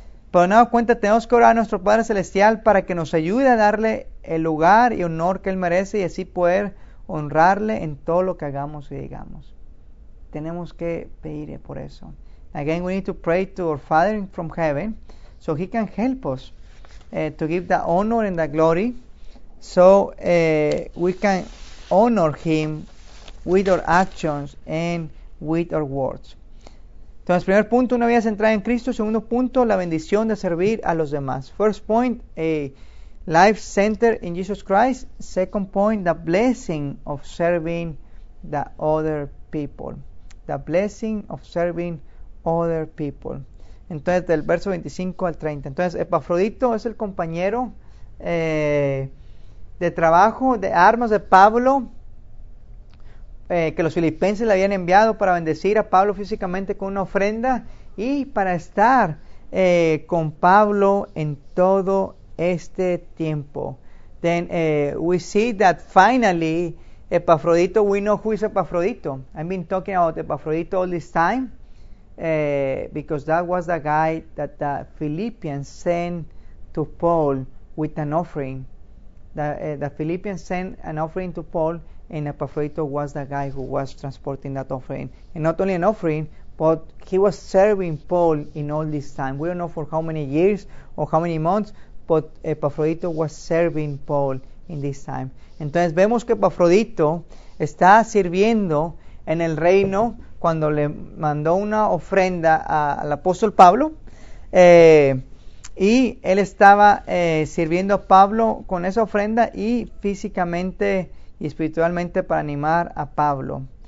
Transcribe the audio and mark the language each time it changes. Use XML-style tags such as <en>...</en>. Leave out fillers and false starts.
<es>Pero no cuenta, tenemos que orar a nuestro Padre Celestial para que nos ayude a darle el lugar y honor que Él merece y así poder honrarle en todo lo que hagamos y digamos. Tenemos que pedir por eso.</es> <en>Again, we need to pray to our Father from heaven so He can help us to give the honor and the glory so we can honor Him with our actions and with our words.</en> <es>Entonces, primer punto, una vida centrada en Cristo. Segundo punto, la bendición de servir a los demás.</es> <en>First point, a life centered in Jesus Christ. Second point, the blessing of serving the other people. The blessing of serving other people.</en> <es>Entonces, del verso 25 al 30. Entonces, Epafrodito es el compañero de trabajo, de armas de Pablo. Que los filipenses le habían enviado para bendecir a Pablo físicamente con una ofrenda y para estar con Pablo en todo este tiempo.</es> <en>Then we see that finally Epafrodito, we know who is Epafrodito. I've been talking about Epafrodito all this time because that was the guy that the Philippians sent to Paul with an offering. The Philippians sent an offering to Paul. And Epafrodito was the guy who was transporting that offering. And not only an offering, but he was serving Paul in all this time. We don't know for how many years or how many months, but Epafrodito was serving Paul in this time.</en> <es>Entonces vemos que Epafrodito está sirviendo en el reino cuando le mandó una ofrenda al apóstol Pablo. Y él estaba sirviendo a Pablo con esa ofrenda y físicamente y espiritualmente para animar a Pablo.</es>